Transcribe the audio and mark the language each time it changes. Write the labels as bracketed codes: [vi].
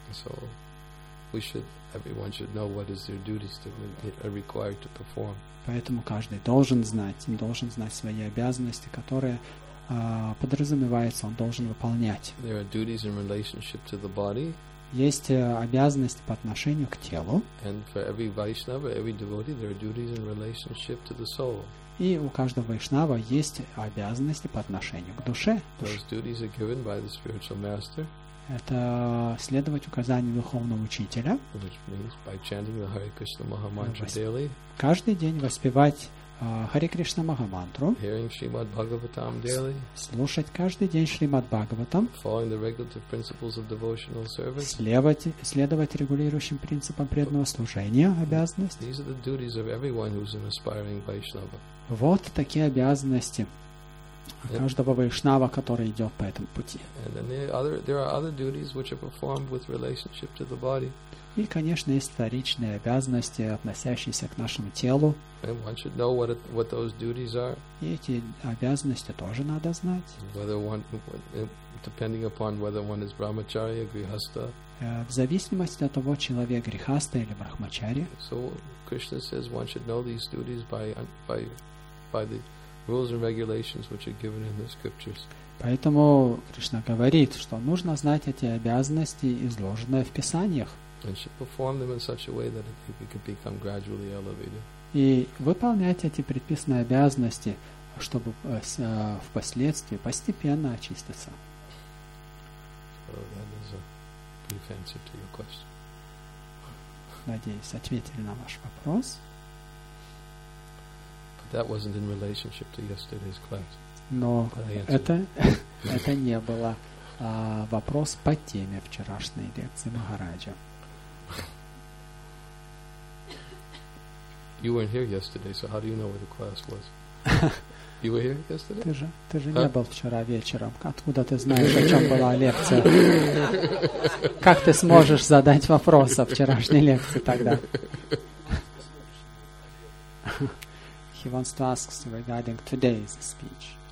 [en] So we should, everyone should know what is their duties to require to perform. [ru] Поэтому каждый должен знать свои обязанности, которые подразумеваются, он должен выполнять. [en] There are duties in relationship to the body. [ru] Есть обязанность по отношению к телу. [en] And for every Vaishnava, every devotee, there are duties in relationship to the soul. [ru] И у каждого вайшнава есть обязанности по отношению к душе. [en] Those duties are given by the spiritual master. [ru] Это следовать указаниям духовного учителя. [en] Which means by chanting the Hare Krishna Maha Mantra daily. [ru] Каждый день воспевать Hare Krishna Maha Mantra. [en] Hearing Shrimad Bhagavatam daily. [ru] Слушать каждый день Шримад Бхагаватам. [en] Following the regulative principles of devotional service. [ru] Следовать регулирующим принципам преданного служения, обязанность. [en] These are the duties of everyone who's an aspiring Vaishnava. [ru] Вот такие обязанности каждого вайшнава, который идет по этому пути. [en] And then there are other duties which are performed with relationship to the body. [ru] И, конечно, есть вторичные обязанности, относящиеся к нашему телу. [en] And one should know what those duties are. [ru] И эти обязанности тоже надо знать. [en] Whether one, depending upon whether one is brahmachari or grihastha. [ru] В зависимости от того, человек грихаста или брахмачари. [en] So Krishna says one should know these duties by the rules and regulations which are given in the scriptures. [ru] Поэтому Кришна говорит, что нужно знать эти обязанности, изложенные в писаниях. [en] And should perform them in such a way that it could become gradually elevated. [ru] И выполнять эти предписанные обязанности, чтобы впоследствии постепенно очиститься. [en] So that is a brief answer to your question. [ru] Надеюсь, ответили на ваш вопрос. [en] But that wasn't in relationship to yesterday's class. [ru] Но это не было вопрос по теме вчерашней лекции Махараджа. [en] You weren't here yesterday, so how do you know where the class was? You were here yesterday? [ru] Ты же не был вчера вечером. Откуда ты знаешь, о чем была лекция? Как ты сможешь задать вопрос о вчерашней лекции тогда? [en] He wants to ask you regarding today's speech.